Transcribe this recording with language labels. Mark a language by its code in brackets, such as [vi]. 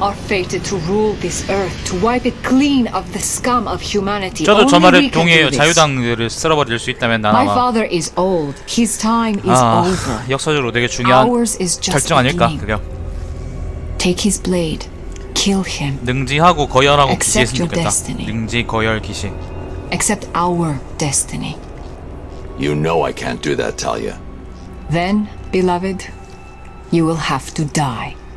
[en] 'Fated to rule this earth, to wipe it clean of the scum of humanity. [ko] 저도 저 말에 동의해요. 자유당들을 쓸어버릴 수 있다면 나나마. [en] My father is old. His time is over. [ko] 역사적으로 되게 중요한 결정 아닐까 그게. [en] Take his blade, kill him. [ko] 능지하고 거열하고 기시했으면 좋겠다. 능지 거열 기시. [en] Accept our destiny. You know I can't do that, Talia. Then, beloved, you will have to die.